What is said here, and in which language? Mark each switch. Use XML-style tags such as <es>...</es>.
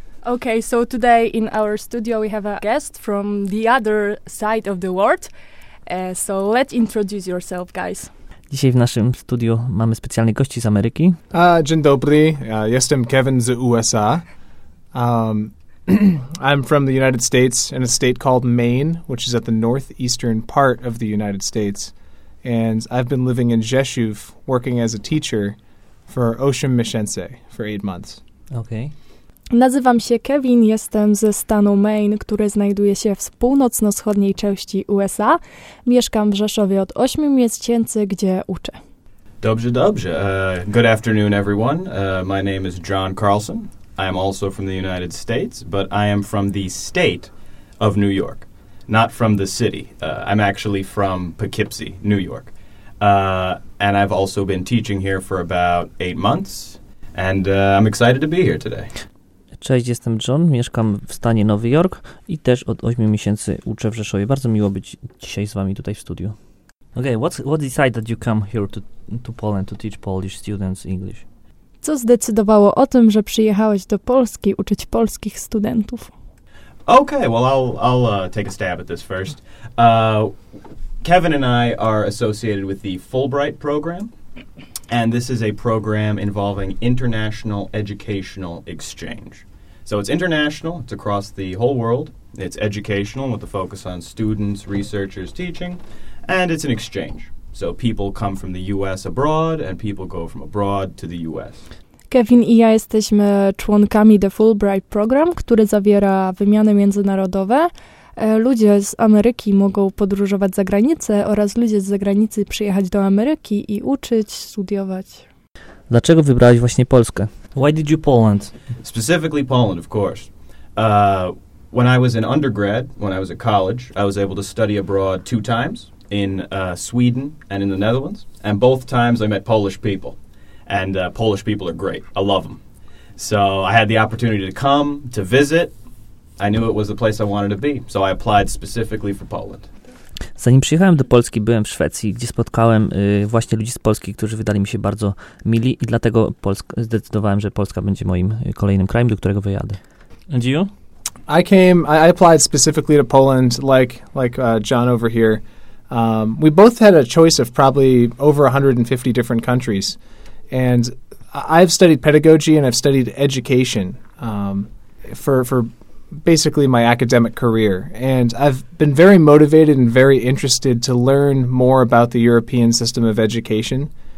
<en>Okay, so today in our studio we have a guest from the other side of the world. So let's introduce yourself, guys.</en> <pl>Dzisiaj w naszym studiu mamy specjalnych gości z Ameryki. Dzień dobry, jestem Kevin z USA.</pl> <en>I'm from the United States in a state called Maine, which is at the northeastern part of the United States. And I've been living in Rzeszów, working as a teacher for</en> <pl>Osiem Miesięcy</pl> <en>for 8 months. Okay.</en> <pl>Nazywam się Kevin, jestem ze stanu Maine, który znajduje się w północno-wschodniej części USA. Mieszkam w Rzeszowie od 8 miesięcy, gdzie uczę. Dobrze.</pl> <en>Good afternoon, everyone. My name is John Carlson. I am also from the United States, but I am from the state of New York, not from the city. I'm actually from Poughkeepsie, New York. And I've also been teaching here for about 8 months, and I'm excited to be here today.</en> <pl>Cześć, jestem John, mieszkam w stanie Nowy Jork i też od 8 miesięcy uczę w Rzeszowie. Bardzo miło być dzisiaj z wami tutaj w studiu.</pl> <en>Okay, what decided that you come here to Poland to teach Polish students English?</en> <pl>Co zdecydowało o tym, że przyjechałeś do Polski uczyć polskich studentów?</pl> <en>Okay, well I'll take a stab at this first. Kevin and I are associated with the Fulbright program. And this is a program involving international educational exchange. So it's international, it's across the whole world. It's educational with a focus on students, researchers, teaching, and it's an exchange. So people come from the US abroad and people go from abroad to the US.</en> <pl>Kevin i ja jesteśmy członkami The Fulbright Program, który zawiera wymiany międzynarodowe. Ludzie z Ameryki mogą podróżować za granicę oraz ludzie z zagranicy przyjechać do Ameryki i uczyć, studiować. Dlaczego wybrałeś właśnie Polskę?</pl> <en>Why did you Poland? Specifically Poland, of course. When I was in undergrad, when I was at college, I was able to study abroad 2 times, in Sweden and in the Netherlands. And both times I met Polish people. And Polish people are great. I love them. So I had the opportunity to come, to visit. I knew it was the place I wanted to be, so I applied specifically for Poland.</en> <pl>Zanim przyjechałem do Polski, byłem w Szwecji, gdzie spotkałem właśnie ludzi z Polski, którzy wydali mi się bardzo mili i dlatego zdecydowałem, że Polska będzie moim kolejnym krajem, do którego wyjadę.</pl> <en>And you? I applied specifically to Poland, like John over here. We both had a choice of probably over 150 different countries. And I've studied pedagogy and I've studied education for basically my academic career, and I've been very motivated and very interested to learn more about the European system of education.</en>